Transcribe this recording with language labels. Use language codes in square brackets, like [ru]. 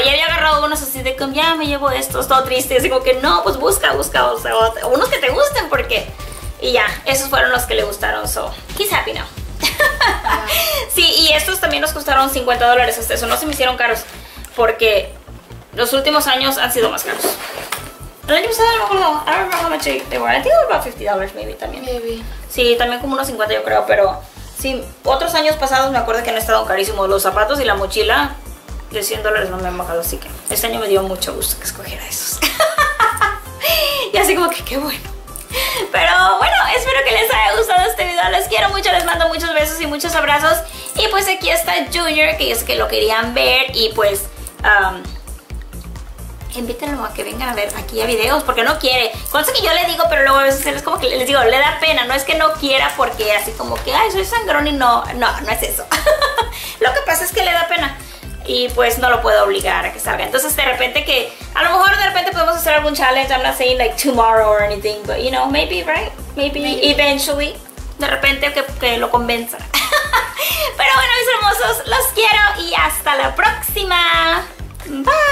[es] Ya había agarrado unos así de como, ya me llevo estos, todo triste. Y así como que no, pues busca, o sea, unos que te gusten, porque... Y ya, esos fueron los que le gustaron. [en] So, he's happy now. [es] Sí, y estos también nos costaron $50. Hasta eso, no se me hicieron caros. Porque los últimos años han sido más caros. El año pasado, [en] I don't remember how much they were. I think it was about $50 maybe [es] también. [en] Maybe. [es] Sí, también como unos 50 yo creo, pero... Sí, otros años pasados me acuerdo que han estado carísimos los zapatos y la mochila de $100 no me han bajado, así que este año me dio mucho gusto que escogiera esos. Y así como que qué bueno. Pero bueno, espero que les haya gustado este video, les quiero mucho, les mando muchos besos y muchos abrazos. Y pues aquí está Junior, que es que lo querían ver y pues... invítenlo a que vengan a ver aquí a videos porque no quiere. Cosa que yo le digo, pero luego a veces es como que les digo, le da pena. No es que no quiera porque así como que, ay, soy sangrón y no es eso. Lo que pasa es que le da pena y pues no lo puedo obligar a que salga. Entonces de repente que, a lo mejor de repente podemos hacer algún challenge. [en] I'm not saying like tomorrow or anything, but you know, maybe, right? Maybe. Eventually, [es] de repente que lo convenza. Pero bueno, mis hermosos, los quiero y hasta la próxima. Bye.